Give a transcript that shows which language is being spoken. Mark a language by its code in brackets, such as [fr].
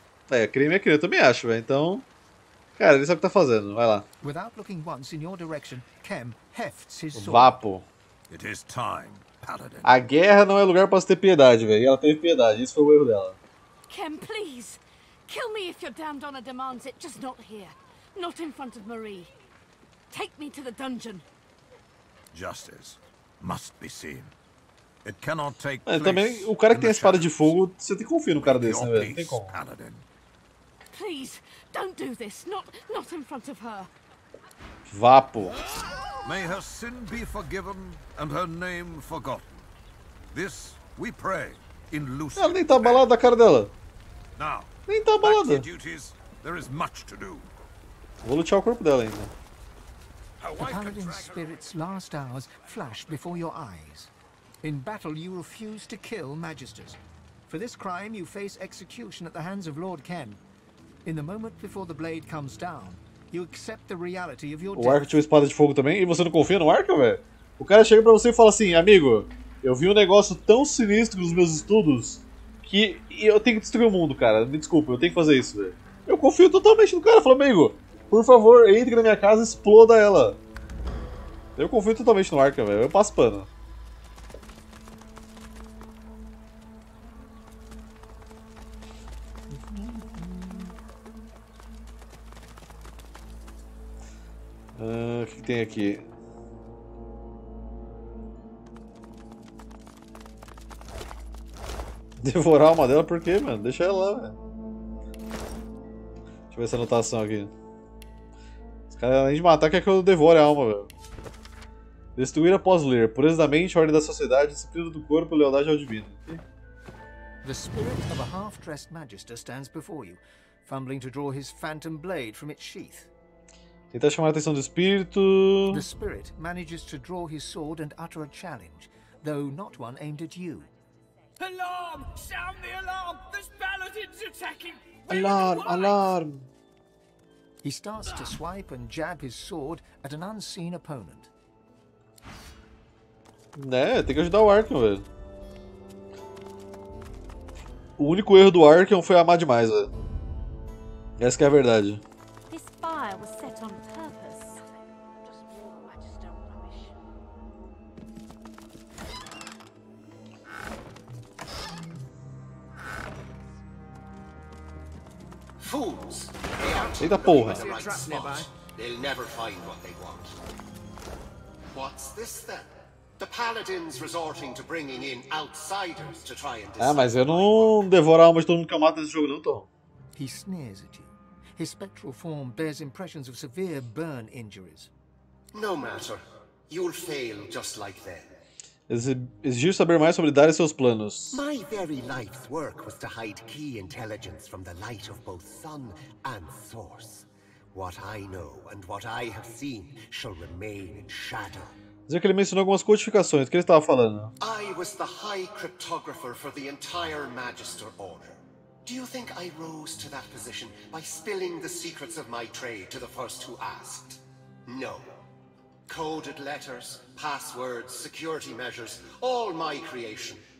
[pt] É, crime é crime, eu também acho, velho. Então, cara, ele sabe o que tá fazendo, vai lá. [en] Without looking once in your direction, Kem hefts his sword. [pt] Vapo. [en] It is time. [pt] A guerra não é lugar para se ter piedade, velho. E ela teve piedade, isso foi o erro dela. [en] Kem, please, kill me if your damned honor demands it, just not here, not in front of Marie. Take me to the dungeon. Justice must be seen. It cannot take. [pt] Mas também o cara que tem a espada de fogo, você tem confiança no cara desse, né, velho? Tem como. [en] Please, don't do this, not in front of her. [pt] Vapo. [en] May her sin be forgiven and her name forgotten. This we pray in Lucy. [pt] Ela nem tá abalada, a cara dela. [en] Now, [pt] nem tá abalada. [en] Duties, there is much to do. [pt] Vou lutear o corpo dela ainda. [en] The paladin's spirit's last hours flash before your eyes. In battle, you refuse to kill magisters. For this crime, you face execution at the hands of Lord Kem. In the moment before the blade comes down, you accept the reality of your death. [pt] O arco tinha uma espada de fogo também? E você não confia no arco, velho? O cara chega pra você e fala assim, amigo, Eu vi um negócio tão sinistro nos meus estudos que eu tenho que destruir o mundo, cara. Me desculpa, eu tenho que fazer isso, velho. Eu confio totalmente no cara. Falou, amigo, por favor, entre na minha casa e exploda ela. Eu confio totalmente no Arca, velho. Eu passo pano. O que tem aqui? Devorar uma dela, por quê, mano? Deixa ela lá, velho. Deixa eu ver essa anotação aqui. Os caras, além de matar, quer que eu devore a alma, velho. Destruir após ler. Pureza da mente, ordem da sociedade, disciplina do corpo, lealdade ao divino. [en] The spirit of a half-dressed magister stands before you, fumbling to draw his phantom blade from its sheath. [pt] Tenta chamar a atenção do espírito. [en] The spirit manages to draw his sword and utter a challenge, though not one aimed at you. Alarm! Sound the alarm! This paladin's attacking! Alarm! Alarm! He starts to swipe and jab his sword at an unseen opponent. [pt] Né, tem que ajudar o Arkham, velho. O único erro do Arkham foi amar demais, velho. Essa que é a verdade. [en] This fire was set on purpose. Fools! [pt] Eita porra! [en] They'll never find what they want. What's this then? The paladins resorting to bringing in outsiders to try and destroy. [pt] Ah, mas eu não devoro a alma de todo mundo que eu mato nesse jogo, não, Tom. [en] He sneers at you. His spectral form bears impressions of severe burn injuries. No matter. You'll fail just like them. [pt] Exigir saber mais sobre dar e seus planos. [en] My very life's work was to hide key intelligence from the light of both sun and source. What I know and what I have seen shall remain in shadow. [pt] Dizer que ele mencionou algumas codificações, o que ele estava falando? [en] I was the high cryptographer for the entire Magister Order. Do you think I rose to that position by spilling the secrets of my trade to the first who asked? No. Coded letters, passwords, security measures, all my creation.